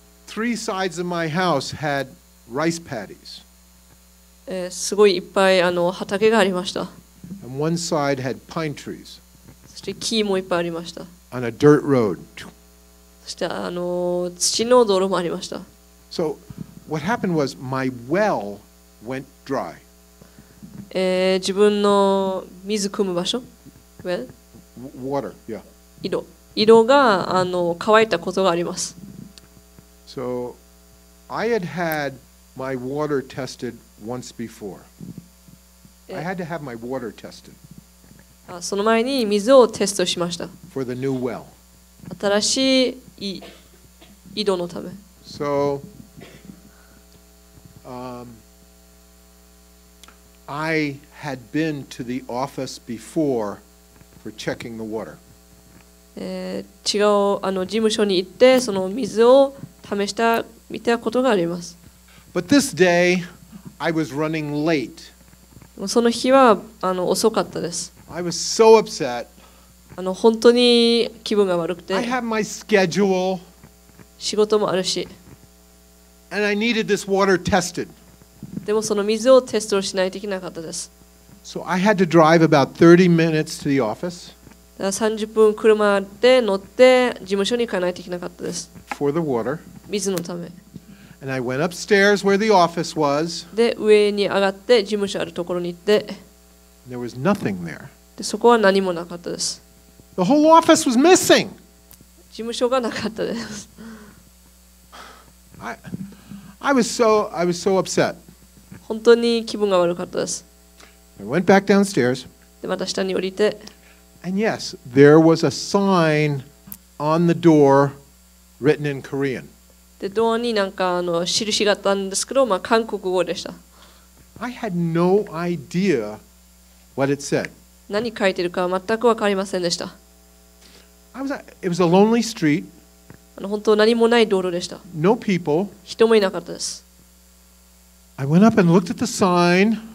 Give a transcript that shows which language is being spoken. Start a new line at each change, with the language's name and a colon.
English: Three sides of my house had rice paddies.
Japanese: すごいいっぱい畑がありました。
English: And one side had pine trees.
Japanese: そして木もいっぱいありました。
English: On a dirt road.
Japanese: そして土の道路もありました。
English: So what happened was my well went dry.
Japanese: 自分の水汲む場所 well?
English: Water, yeah.
Japanese: 井戸が乾いたことがあります。
English: So, I had my water tested once before. I had to have my water tested.
Japanese: その前に水をテストしました。
English: For the new well.
Japanese: 新しい井戸のため。
English: So, I had been to the office before for checking the water.
Japanese: 違う事務所に行ってその水を試した見たことがあります。
English: But this day, I was running late.
Japanese: その日は遅かったです。
English: I was so upset.
Japanese: 本当に気分が悪くて。
English: I have my schedule.
Japanese: 仕事もあるし。
English: And I needed this water tested.
Japanese: でもその水をテストしないといけなかったです。
English: So I had to drive about 30 minutes to the office.
Japanese: 30分車で乗って事務所に行かないといけなかったです。
English: For the water.
Japanese: 水のため。
English: And I went upstairs where the office was.
Japanese: で上に上がって事務所あるところに行って。
English: There was nothing there.
Japanese: でそこは何もなかったです。
English: The whole office was missing.
Japanese: 事務所がなかったです。
English: I was so upset.
Japanese: 本当に気分が悪かったです。
English: I went back downstairs.
Japanese: でまた下に降りて。
English: And yes, there was a sign on the door written in Korean.
Japanese: でドアになんか印があったんですけど、まあ韓国語でした。
English: I had no idea what it said.
Japanese: 何書いてるか全くわかりませんでした。
English: It was a lonely street.
Japanese: 本当何もない道路でした。
English: No people.
Japanese: 人もいなかったです。
English: I went up and looked at the sign.